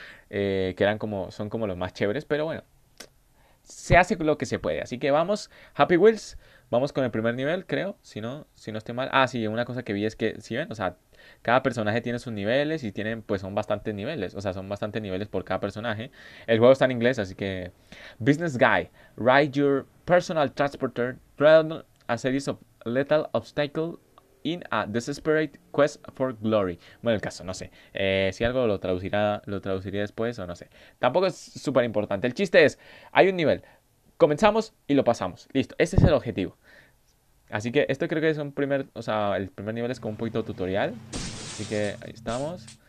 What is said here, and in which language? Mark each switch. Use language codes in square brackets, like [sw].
[es] Que eran como... Son como los más chéveres. Pero bueno, se hace lo que se puede. Así que vamos. Happy Wheels. Vamos con el primer nivel, creo. Si no estoy mal. Ah, sí. Una cosa que vi es que... ¿Sí ven? O sea... Cada personaje tiene sus niveles y tienen, pues son bastantes niveles. O sea, son bastantes niveles por cada personaje. El juego está en inglés, así que... [en] Business guy, ride your personal transporter through a series of lethal obstacles in a desperate quest for glory. [es] Bueno, el caso, no sé. Si algo lo traduciría después o no sé. Tampoco es súper importante. El chiste es, hay un nivel. Comenzamos y lo pasamos. Listo, ese es el objetivo. Así que esto creo que es un primer... O sea, el primer nivel es como un poquito tutorial. Así que ahí estamos.